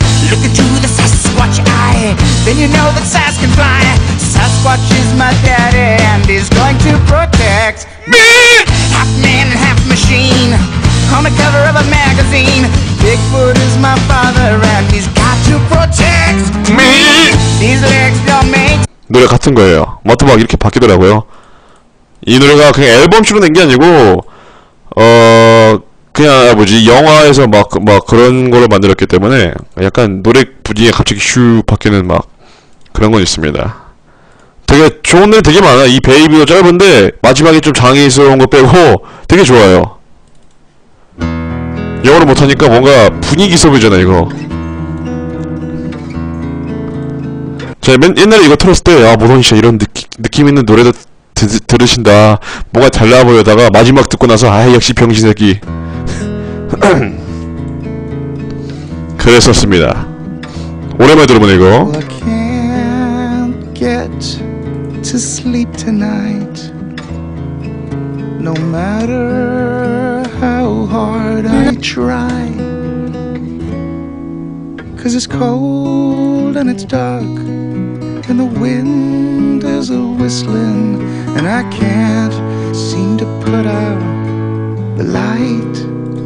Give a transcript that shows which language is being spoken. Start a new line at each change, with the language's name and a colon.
English: Look into the Sasquatch eye, then you know that Sas can fly. Sasquatch is my daddy and he's going to protect me. Half man and half machine. on the cover of a magazine. Bigfoot is my father and he's got to protect me. These legs don't make.
Korean: 노래 같은 거예요. 마트 막 이렇게 바뀌더라고요. 이 노래가 그냥 앨범으로 낸 게 아니고 그냥 뭐지 영화에서 막 그런 걸로 만들었기 때문에 약간 노래 분위기가 갑자기 슉 바뀌는 막 그런 건 있습니다. 되게 좋은 노래 되게 많아. 이 베이비도 짧은데 마지막에 좀 장애스러운 거 빼고 되게 좋아요. 영어를 못하니까 뭔가 분위기 소비잖아 이거. 자, 옛날에 이거 틀었을 때 아 모던 씨 이런 느낌 있는 노래도 들으신다 뭔가 잘 나와 보려다가 마지막 듣고 나서 아 역시 병신새끼 그랬었습니다. 오랜만에 들어보네 이거.
English: I can't get to sleep tonight no matter how hard I try cause it's cold and it's dark and the wind is a whistling and I can't seem to put out the light.